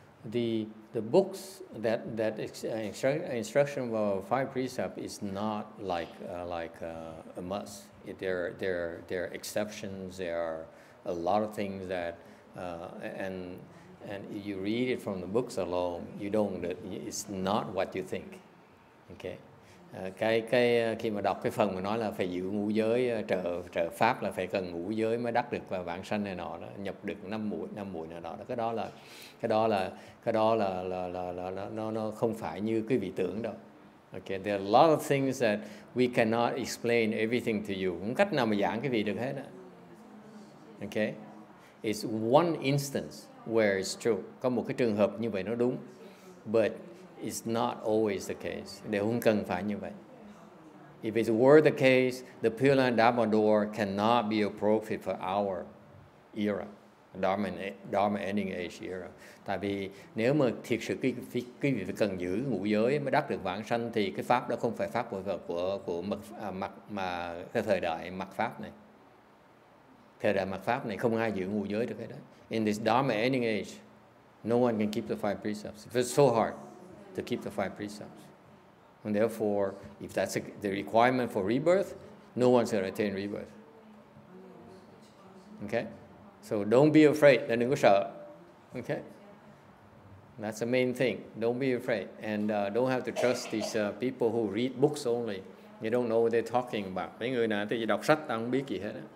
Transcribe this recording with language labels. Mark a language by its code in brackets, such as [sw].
[en] The books that instruction of five precepts is not like a must. There are exceptions. There are a lot of things that and you read it from the books alone, you don't. It's not what you think. Okay, [vi] cái khi mà đọc cái phần mà nói là phải giữ ngũ giới trợ trợ pháp là phải cần ngũ giới mới đắc được và vãng sanh này nọ đó, nhập được năm muội này nọ đó. Cái đó là nó không phải như quý vị tưởng đâu. [en] Okay, there are a lot of things that we cannot explain everything to you. [vi] Không cách nào mà giảng quý vị được hết đó. [en] Okay, it's one instance where it's true. [vi] Có một cái trường hợp như vậy nó đúng, [en] but it's not always the case. [vi] Để không cần phải như vậy. [en] If it were the case, the Pure Land Dharma door cannot be appropriate for our era, Dharma ending age era. [vi] Tại vì nếu mà thiệt sự quý vị phải cần giữ ngũ giới mới đắc được vãng sanh thì cái pháp đó không phải pháp của mật mặt mà cái thời đại mặt pháp này. Thời đại mặt pháp này không ai giữ ngũ giới được cái đó. [en] In this Dharma ending age, no one can keep the five precepts. It's so hard to keep the five precepts. And therefore, if that's the requirement for rebirth, no one's going to attain rebirth. Okay? So don't be afraid. [vi] Đừng có sợ. [en] Okay? That's the main thing. Don't be afraid. And don't have to trust these people who read books only. You don't know what they're talking about. [vi] Mấy người nào thì đọc sách, không biết gì hết.